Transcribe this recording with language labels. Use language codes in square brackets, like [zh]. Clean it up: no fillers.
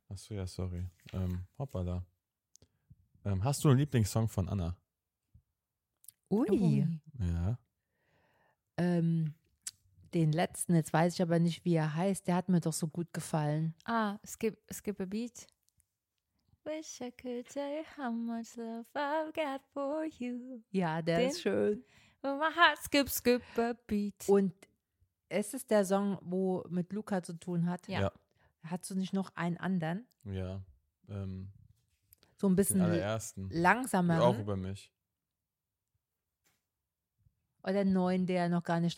[de] Achso, ja, sorry. Hoppala. Hast du einen Lieblingssong von Anna? Ui. Ja. Den letzten, jetzt weiß ich aber nicht, wie er heißt. Der hat mir doch so gut gefallen. [en] Ah, skip a beat. Wish I could tell you how much love I've got for you. [de] Ja, der ist schön. [en] Well, my heart skip a beat. [de] Und es ist der Song, wo mit Luca zu tun hat. Ja. Hast du nicht noch einen anderen? Ja. So ein bisschen allerersten. Langsamer. Auch über mich. Oder einen neuen, der noch gar nicht